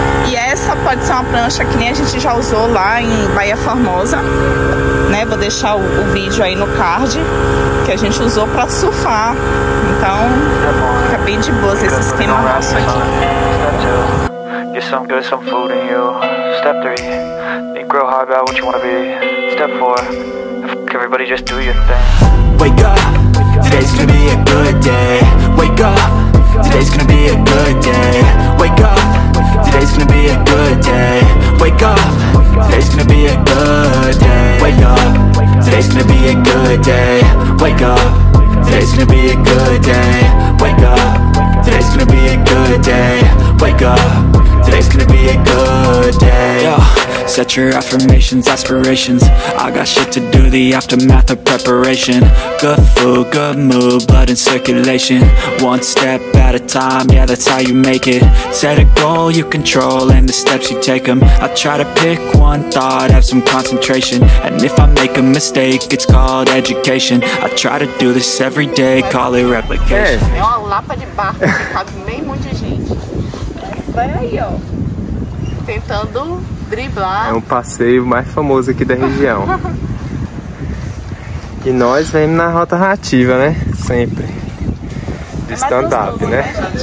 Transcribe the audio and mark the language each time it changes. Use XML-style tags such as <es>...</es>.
<pt>E essa pode ser uma prancha que nem a gente já usou lá em Bahia Formosa, né? Vou deixar o vídeo aí no card, que a gente usou pra surfar. Então fica bem de boas esse esquema nosso aqui.</pt> <en>Get some good, some food in you. Step 3, think real hard about what you wanna be. Step 4, fuck everybody, just do your thing. Wake up, today's gonna be a good day. Wake up, today's gonna be a good day. Wake up, today's gonna be a good day. Wake up, today's gonna be a good day. Wake up, today's gonna be a good day. Wake up, today's gonna be a good day. Wake up, today's gonna be a good day. Wake up. Today's gonna be a good day. Yo, set your affirmations, aspirations. I got shit to do, the aftermath of preparation. Good food, good mood, blood in circulation. One step at a time, yeah, that's how you make it. Set a goal you control and the steps you take them. I try to pick one thought, have some concentration. And if I make a mistake, it's called education. I try to do this every day, call it replication.</en> <pt>É uma lapa de barco, sabe, meio monte de gente. Vai aí, ó. Tentando driblar. É um passeio mais famoso aqui da região. E nós vemos na rota rativa, né? Sempre. De stand-up, né?</pt>